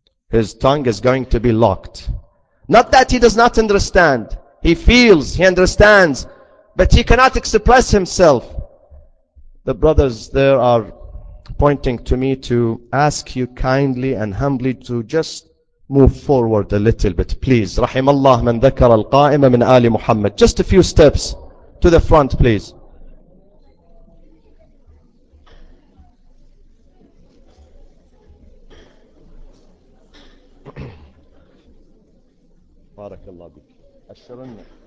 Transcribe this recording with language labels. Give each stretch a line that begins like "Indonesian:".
English: His tongue is going to be locked. Not that he does not understand. He feels, he understands, but he cannot express himself. The brothers there are pointing to me to ask you kindly and humbly to just move forward a little bit, please.
Arabic: رحم الله من ذكر القائمة من آل محمد.
English: Just a few steps to the front, please.
Arabic: بارك الله بك. أشرنا.